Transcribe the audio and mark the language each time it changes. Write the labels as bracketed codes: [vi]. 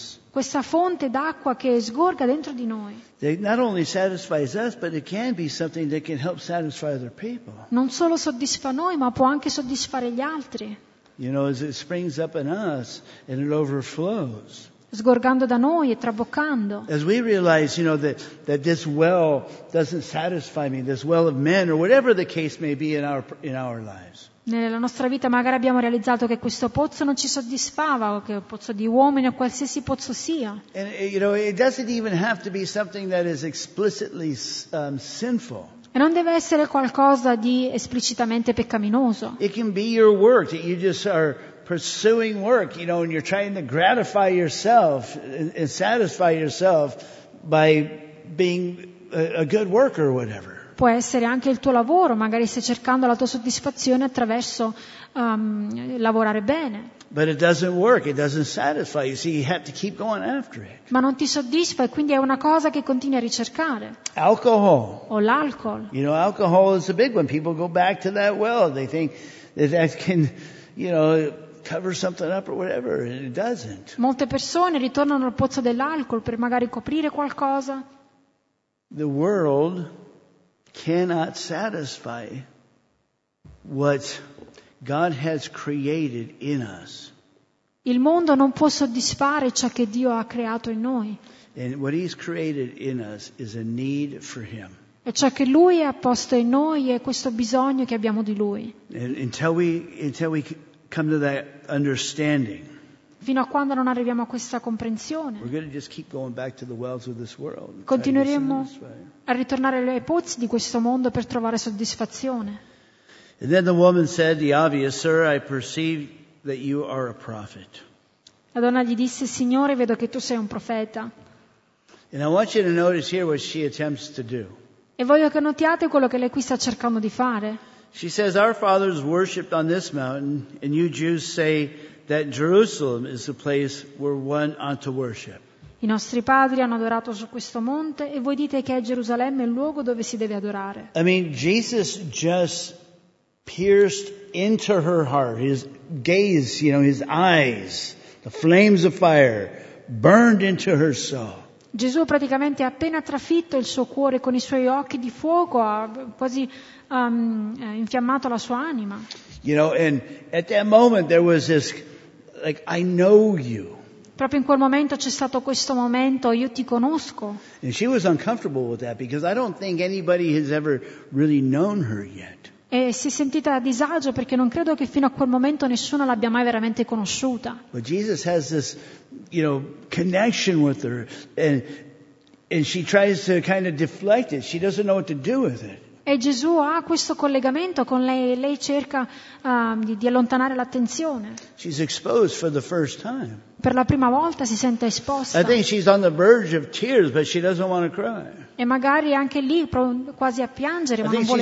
[it] Questa fonte d'acqua che sgorga dentro di noi. [en] Not only satisfies us, but it can be something that can help satisfy other people. [it] Non solo soddisfa noi, ma può anche soddisfare gli altri. [en] You know, as it springs up in us and it overflows. [it] Sgorgando da noi e traboccando. [en] As we realize, you know, that this well doesn't satisfy me, this well of men or whatever the case may be in our lives. [it] Nella nostra vita magari abbiamo realizzato che questo pozzo non ci soddisfava, o che un pozzo di uomini o qualsiasi pozzo sia. [en] And you know, it doesn't even have to be something that is explicitly sinful. [it] E non deve essere qualcosa di esplicitamente peccaminoso. [en] It can be your work that you just are pursuing work, you know, and you're trying to gratify yourself and satisfy yourself by being a good worker or whatever. [it] Può essere anche il tuo lavoro, magari stai cercando la tua soddisfazione attraverso lavorare bene. [en] But it doesn't work, it doesn't satisfy. You see, you have to keep going after it. [it] Ma non ti soddisfa e quindi è una cosa che continui a ricercare. [en] Alcohol. [it] O l'alcol. [en] You know, alcohol is a big one. People go back to that well. They think that can, you know, cover something up or whatever, and it doesn't. [it] Molte persone ritornano al pozzo dell'alcol per magari coprire qualcosa. [en] The world cannot satisfy what God has created in us. [it] Il mondo non può soddisfare ciò che Dio ha creato in noi. [en] And what He's created in us is a need for Him. [it] E ciò che Lui ha posto in noi è questo bisogno che abbiamo di Lui. [en] And until we come to that understanding. [it] Fino a quando non arriviamo a questa comprensione. [en] We're going to just keep going back to the wells of this world. [it] Continueremo a ritornare ai pozzi di questo mondo per trovare soddisfazione. [en] And then the woman said, "The obvious, sir, I perceive that you are a prophet." [it] La donna gli disse: "Signore, vedo che tu sei un profeta." [en] And I want you to notice here what she attempts to do. [it] E voglio che notiate quello che lei qui sta cercando di fare. [en] She says, "Our fathers worshipped on this mountain, and you Jews say that Jerusalem is the place where one ought to worship." [it] I nostri padri hanno adorato su questo monte, e voi dite che è Gerusalemme il luogo dove si deve adorare. [en] I mean, Jesus just pierced into her heart. His gaze, you know, his eyes, the flames of fire burned into her soul. [it] Gesù praticamente ha appena trafitto il suo cuore con i suoi occhi di fuoco, ha quasi infiammato la sua anima. [en] You know, and at that moment there was this, like, I know you. [it] Proprio in quel momento c'è stato questo momento, io ti conosco. [en] And she was uncomfortable with that because I don't think anybody has ever really known her yet. [it] E si è sentita a disagio perché non credo che fino a quel momento nessuno l'abbia mai veramente conosciuta. [en] But Jesus has this, you know, connection with her, and she tries to kind of deflect it. She doesn't know what to do with it. [it] E Gesù ha questo collegamento con lei e lei cerca di allontanare l'attenzione. [en] She's exposed for the first time. [it] Per la prima volta si sente esposta. [en] I think she's on the verge of tears, but she doesn't want to cry. [it] E magari anche lì quasi a piangere, ma non vuole